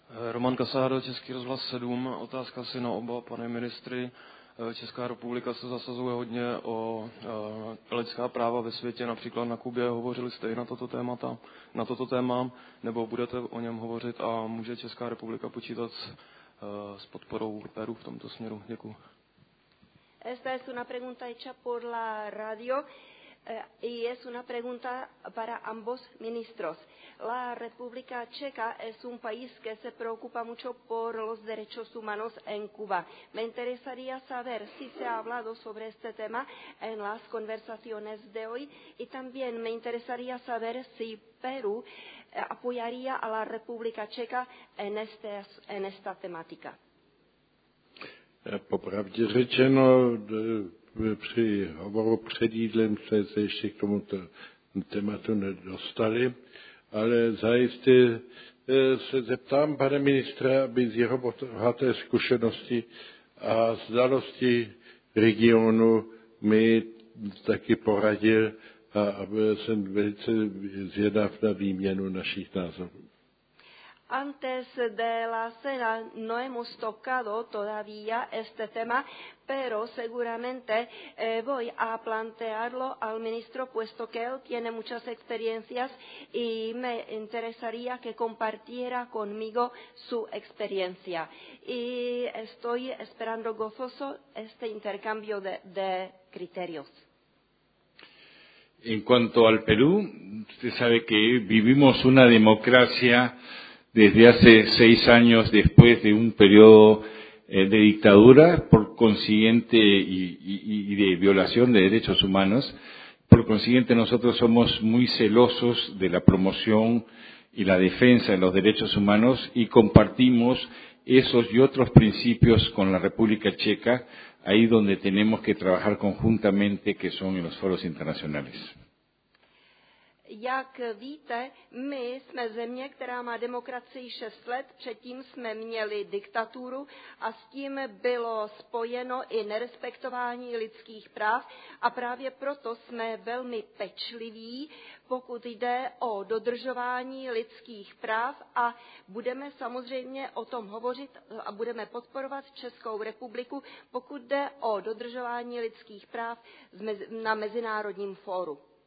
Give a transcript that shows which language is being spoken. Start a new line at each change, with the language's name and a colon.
Czech: Roman Kasáda, Český rozhlas 7. Otázka si na oba, pane ministry. Česká republika se zasazuje hodně o lidská práva ve světě, například na Kubě. Hovořili jste i na toto téma, nebo budete o něm hovořit a může Česká republika počítat s podporou Peru v tomto směru? Děkuji.
Spanish: Esta es una pregunta hecha por la radio. Y es una pregunta para ambos ministros. La República Checa es un país que se preocupa mucho por los derechos humanos en Cuba. Me interesaría saber si se ha hablado sobre este tema en las conversaciones de hoy. Y también me interesaría saber si Perú apoyaría a la República Checa en esta temática.
Czech: Popravdě řečeno, při hovoru před jídlem jsme se ještě k tomu tématu nedostali, ale zajistě se zeptám pana ministra, aby z jeho bohaté zkušenosti a znalosti regionu mi taky poradil a aby jsem velice zvědav na výměnu našich názorů.
Spanish: Antes de la cena no hemos tocado todavía este tema, pero seguramente voy a plantearlo al ministro, puesto que él tiene muchas experiencias y me interesaría que compartiera conmigo su experiencia. Y estoy esperando gozoso este intercambio de criterios. En cuanto al Perú, usted sabe que vivimos una democracia desde hace 6 años después de un periodo de dictadura, por consiguiente, y de violación de derechos humanos. Por consiguiente, nosotros somos muy celosos de la promoción y la defensa de los derechos humanos y compartimos esos y otros principios con la República Checa, ahí donde tenemos que trabajar conjuntamente, que son en los foros internacionales.
Czech: Jak víte, my jsme země, která má demokracii 6 let, předtím jsme měli diktaturu a s tím bylo spojeno i nerespektování lidských práv a právě proto jsme velmi pečliví, pokud jde o dodržování lidských práv a budeme samozřejmě o tom hovořit a budeme podporovat Českou republiku, pokud jde o dodržování lidských práv na mezinárodním fóru.